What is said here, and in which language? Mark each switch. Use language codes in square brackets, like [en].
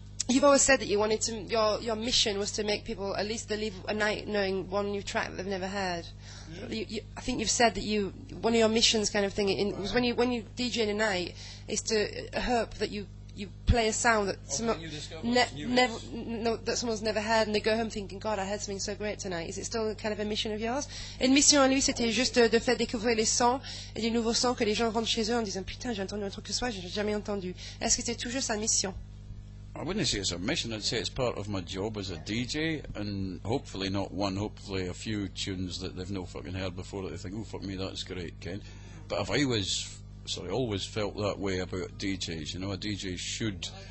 [en] You've always said that you wanted to, your mission was to make people at least they leave a night knowing one new track they've never heard. Yeah. I think you've said that you, one of your missions kind of thing, was when you DJ in a night, is to hope that you play a sound that that someone's never heard, and they go home thinking, God, I heard something so great tonight. Is it still kind of a mission of yours? [fr] Une mission à lui, c'était juste de faire découvrir les sons, et les nouveaux sons que les gens rentrent chez eux en disant, putain, j'ai entendu un truc que soit, j'ai jamais entendu. Est-ce que c'était toujours sa mission? [en] I wouldn't say it's a mission, I'd say it's part of my job as a DJ, and hopefully not one, hopefully a few tunes that they've no fucking heard before that they think, oh fuck me, that's great, Ken. But if I was sorry, always felt that way about DJs. You know, a DJ should...